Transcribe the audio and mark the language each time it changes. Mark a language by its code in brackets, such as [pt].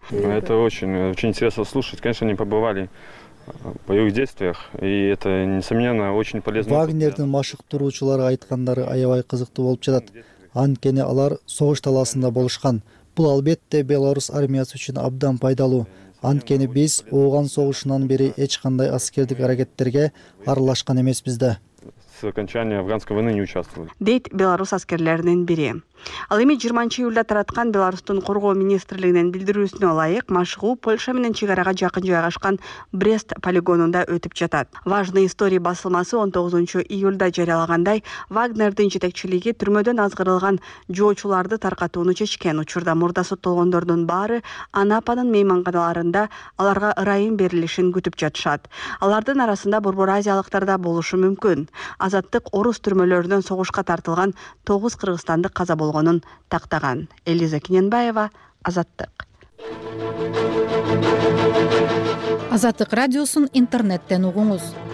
[ru] Это очень интересно слушать. Конечно, они побывали по их действиях, и это несомненно очень полезно. [ky] Вагнердин машыктыруучулары айткандары аябай кызыктуу болуп жатат. Анткени алар согуш талаасында болушкан. Бул албетте Беларусь армиясы үчүн абдан пайдалуу. Анткени биз Ооган согушунан бери эч кандай аскердик аракеттерге аралашкан эмеспиз да. [ru] С окончания афганской войны не участвовали. [ky] Дейт Беларусь аскерлеринин бири. Ал эми 20 июлда тараткан Беларусьтун коргоо министрлигинин билдирүүсүнө ылайык, машыгуу Польша менен чек арага жакын жайгашкан Брест полигонунда өтүп жатат. Важные истории басылмасы 19 июлда жарыялагандай, Вагнердин жетекчилиги түрмөдөн азгырылган жоочуларды таркатууну чечкен. Учурда мурда соттолгондордун баары Анапанын мейманканаларында аларга ырайым берилишин күтүп жатышат. Алардын арасында Борбор Азиялыктар да болушу мүмкүн. Азаттык орус түрмөлөрүнөн согушка тартылган 9 кыргызстандык каза болгонун тактаган. Элиза Кененбаева, Азаттык. Азаттык радиосун интернеттен угуңуз.